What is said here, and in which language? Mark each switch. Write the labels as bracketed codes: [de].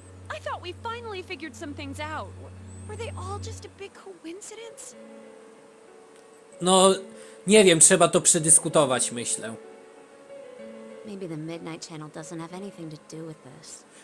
[en] I thought we finally figured some things out. Were they all just a big coincidence? [pl] No, nie wiem, trzeba to przedyskutować, myślę. [en] Maybe the Midnight Channel doesn't have anything to do with this.